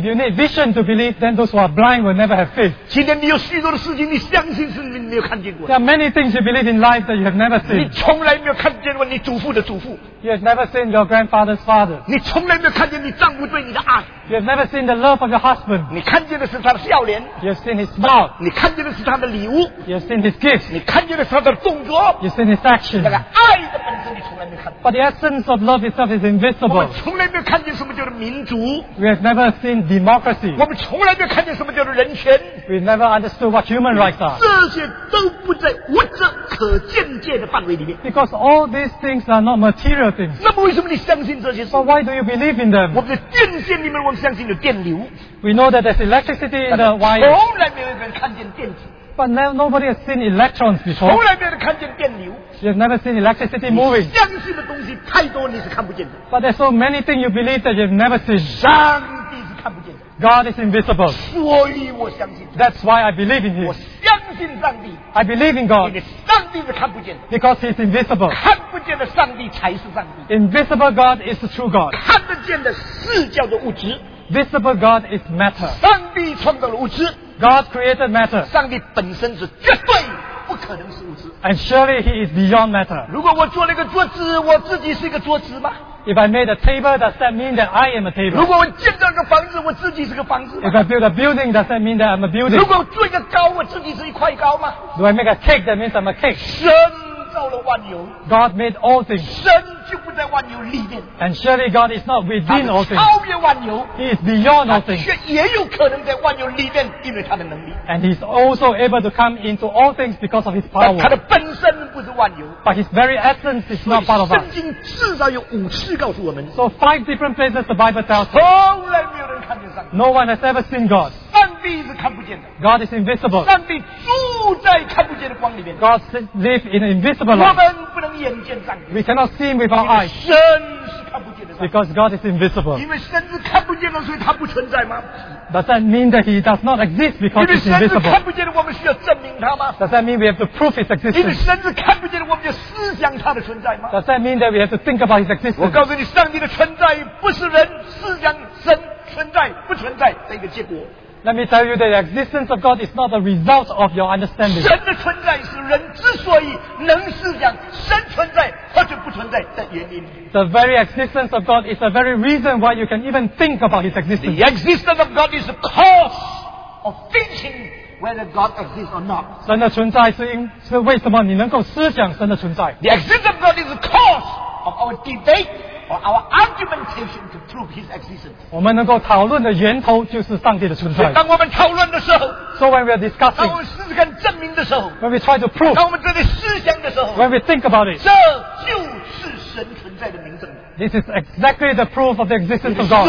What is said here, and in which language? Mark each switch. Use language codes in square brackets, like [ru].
[en] If you need vision to believe, then those who are blind will never have faith. [zh] 今天你有许多的事情，你相信是你没有看见过。 [en] There are many things you believe in life that you have never seen. [zh] 你从来没有看见过你祖父的祖父。 [en] You have never seen your grandfather's father. [zh] 你从来没有看见你丈夫对你的爱。 [en] You have never seen the love of your husband. [zh] 你看见的是他的笑脸。 [en] You have seen his smile. [zh] 你看见的是他的礼物。 [en] You have seen his gift. [zh] 你看见的是他的动作。 [en] You have seen his action. [zh] 那个爱的本身你从来没看。 [en] But the essence of love itself is invisible. [zh] 我们从来没有看见什么叫做民主。 [en] We have never seen democracy. [zh] 我们从来没有看见什么叫做人权。 [en] We have never understood what human rights are. [zh] 这些都不在物质可见界的范围里面。 [en] Because all these things are not material. [zh] 那么为什么你相信这些事？ [en] But why do you believe in them? [zh] 我们的电线里面，我们相信有电流。 [en] We know that there's electricity in the wire. [zh] 从来没有人看见电子。 [en] But now nobody has seen electrons before. [zh] 从来没有看见电流。 [en] You've never seen electricity moving. [zh] 你相信的东西太多，你是看不见的。 [en] But there's so many things you believe that you've never seen. [zh] 上帝是看不见的。 [en] God is invisible. [zh] 所以我相信。 [en] That's why I believe in Him. [zh] 我相信上帝。 [en] I believe in God. [zh] 因为上帝是看不见的。 [en] Because He's invisible. [zh] 看不见的上帝才是上帝。 [en] Invisible God is the true God. [zh] 看得见的是叫做物质。 [en] Visible God is matter. [zh] 上帝创造了物质。 [en] God created matter. [zh] 上帝本身是绝对不可能是物质。 [en] And surely He is beyond matter. [zh] 如果我做了一个桌子，我自己是一个桌子吗？ [en] If I made a table, does that mean that I am a table? [zh] 如果我建造一个房子，我自己是个房子。 [en] If I build a building, does that mean that I'm a building? [zh] 如果我做一个糕，我自己是一块糕吗？ [en] Do I make a cake? That means I'm a cake. [zh] 神造了万有。 [en] God made all things. [zh] 神就不在万有里面。 [en] And surely God is not within all things. [zh] 他超越万有。 [en] He is beyond all things. [zh] 却也有可能在万有里面，因为他的能力。 [en] And He's also able to come into all things because of His power. [zh] 他的本身。 [en] But His very essence is not part of us. [zh] 圣经至少有五次告诉我们。 [en] So five different places the Bible tells us. [zh] 从来没有人看见上帝。 [en] No one has ever seen God. [zh] 上帝是看不见的。 [en] God is invisible. [zh] 上帝住在看不见的光里面。 [en] God lives in invisible light. [zh] 我们不能眼见上帝。 [en] We cannot see him with our eyes. [zh] 神是看不见的。 [en] Because God is invisible. [zh] 因为神是看不见的，所以他不存在吗？ [en] Does that mean that he does not exist because he's invisible? [zh] 看不见的，我们需要证明他吗？ [en] Does that mean we have to prove his existence? [zh] 因为神是看不见的，我们要思想他的存在吗？ [en] Does that mean that we have to think about his existence? [zh] 我告诉你，上帝的存在不是人思想神存在不存在的一个结果。 [en] Let me tell you that the existence of God is not the result of your understanding. [zh] 神的存在是人之所以能思想神存在或者不存在的原因。 [en] The very existence of God is the very reason why you can even think about his existence. The existence of God is the cause of thinking whether God exists or not. [zh] 神的存在是为什么你能够思想神的存在。 [en] The existence of God is the cause of our debate. Or our argumentation to prove his existence. [zh] 我们能够讨论的源头就是上帝的存在。当我们讨论的时候 [en] ，So when we are discussing， [zh] 当我们试试看证明的时候 [en] ，When we try to prove， [zh] 当我们这里思想的时候 [en] ，When we think about it， [zh] 这就是神存在的明证。 [en] This is exactly the proof of the existence of God.